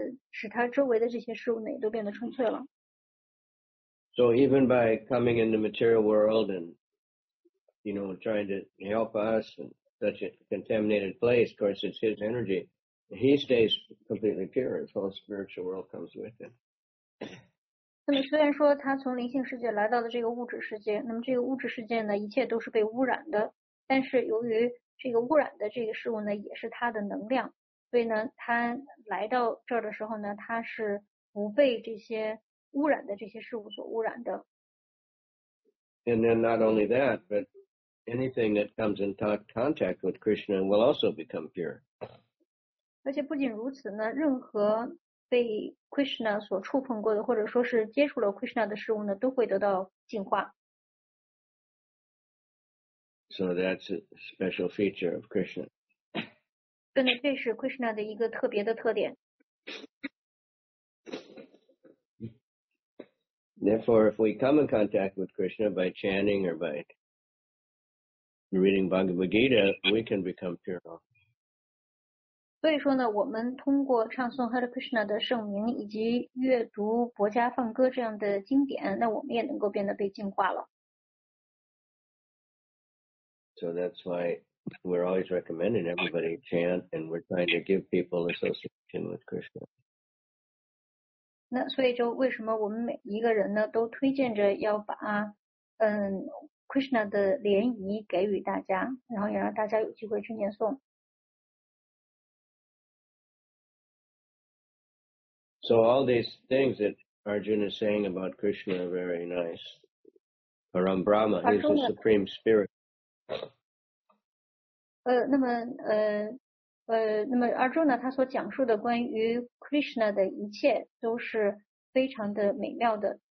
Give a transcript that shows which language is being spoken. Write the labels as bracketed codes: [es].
[zh] 使他周围的这些事物呢，也都变得纯粹了。 [en] So even by coming in the material world and, you know, trying to help us in such a contaminated place, of course, it's his energy. He stays completely pure. His whole spiritual world comes with it. [zh] 那么虽然说他从灵性世界来到了这个物质世界，那么这个物质世界呢，一切都是被污染的。但是由于这个污染的这个事物呢，也是他的能量。所以呢，他来到这儿的时候呢，他是不被这些污染的这些事物所污染的。 [en] And then not only that, but anything that comes in contact with Krishna will also become pure. [zh] 而且不仅如此呢，任何被 Krishna 所触碰过的，或者说是接触了 Krishna 的事物呢，都会得到净化。 [en] So that's a special feature of Krishna. [zh] 真的，这是 Krishna 的一个特别的特点。 [en] Therefore, if we come in contact with Krishna by chanting or by reading Bhagavad Gita, we can become pure. [zh] 所以说呢，我们通过唱诵 Hare Krishna 的圣名以及阅读博家放歌这样的经典，那我们也能够变得被净化了。 [en] So that's why we're always recommending everybody chant, and we're trying to give people association with Krishna. [zh] 那所以就为什么我们每一个人呢都推荐着要把Krishna 的涟漪给予大家，然后也让大家有机会去念诵。 [en] So all these things that Arjuna is saying about Krishna are very nice. Param Brahma, he's the supreme spirit. [zh] 那么 Arjuna 他所讲述的关于 Krishna 的一切都是非常的美妙的。